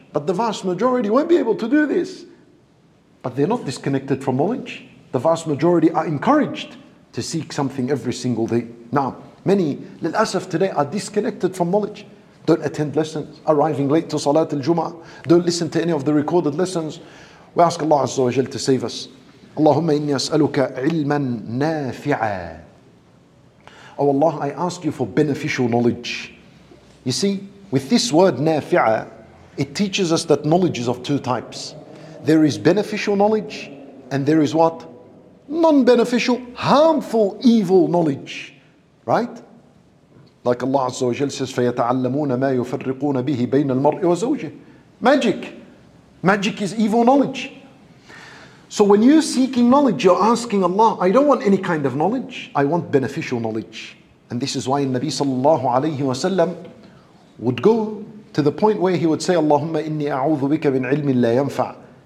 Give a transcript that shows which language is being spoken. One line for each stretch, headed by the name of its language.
English: But the vast majority won't be able to do this. But they're not disconnected from knowledge. The vast majority are encouraged to seek something every single day. Now, many,
Arabic: للأسف
English: today, are disconnected from knowledge. Don't attend lessons, arriving late to Salat al-Jum'ah. Don't listen to any of the recorded lessons. We ask Allah Azza wa Jal to save us.
Arabic: اللهم إني أسألك علما نافعا.
English: Oh Allah, I ask you for beneficial knowledge. You see, With this word nafi'a, it teaches us that knowledge is of two types. There is beneficial knowledge, and there is what? Non-beneficial, harmful, evil knowledge. Right? Like Allah Azza wa Jal says,
Arabic: فَيَتَعَلَّمُونَ مَا يُفَرِّقُونَ بِهِ بَيْنَ الْمَرْءِ وَزَوْجِهِ.
English: Magic. Magic is evil knowledge. So when you're seeking knowledge, you're asking Allah, I don't want any kind of knowledge. I want beneficial knowledge. And this is why Nabi sallallahu alayhi wa sallam would go to the point where he would say,
Arabic: Allahumma inni a'udhu bika min ilmin la yanfa'.